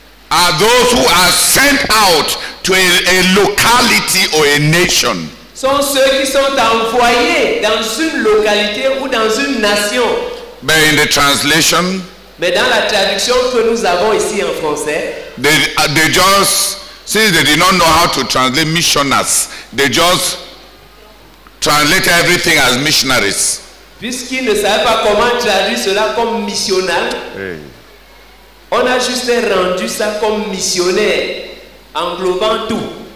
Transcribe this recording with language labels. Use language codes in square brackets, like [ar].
[en] Are those who are sent out to a locality or a nation. [fr] Sont ceux qui sont envoyés dans une localité ou dans une nation. [en] But in the translation, [fr] mais dans la traduction que nous avons ici en français, [en] they just, since they did not know how to translate missionaries, they just translate everything as missionaries. [fr] Puisqu'ils ne savaient pas comment traduire cela comme missionnaire, hey. On a juste rendu ça comme missionnaire, englobant tout.